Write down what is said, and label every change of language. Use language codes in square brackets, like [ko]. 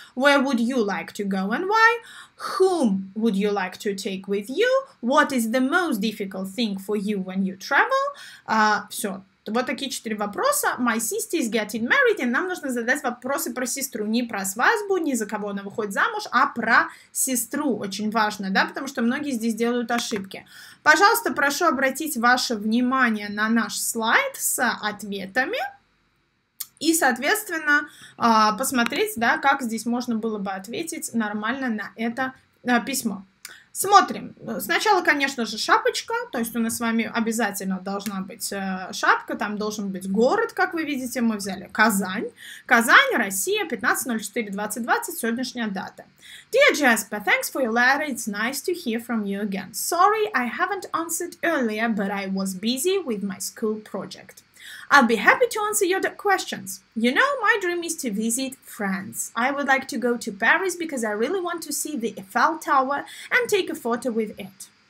[en] Where would you like to go and why? Whom would you like to take with you? What is the most difficult thing for you when you travel? [ru] Все. Вот такие четыре вопроса. [en] My sister is getting married. [ru] И нам нужно задать вопросы про сестру. Не про свадьбу, не за кого она выходит замуж, а про сестру. Очень важно, да? Потому что многие здесь делают ошибки. Пожалуйста, прошу обратить ваше внимание на наш слайд с ответами. И, соответственно, посмотреть, да, как здесь можно было бы ответить нормально на это письмо. Смотрим. Сначала, конечно же, шапочка. То есть у нас с вами обязательно должна быть шапка. Там должен быть город, как вы видите. Мы взяли Казань. Казань, Россия, 15.04.2020, сегодняшняя дата. [en] Dear Jasper, thanks for your letter. It's nice to hear from you again. Sorry, I haven't answered earlier, but I was busy with my school project. I'll be happy to answer your questions. You know, my dream is to visit France. I would like to go to Paris because I really want to see the Eiffel Tower and take a photo with it.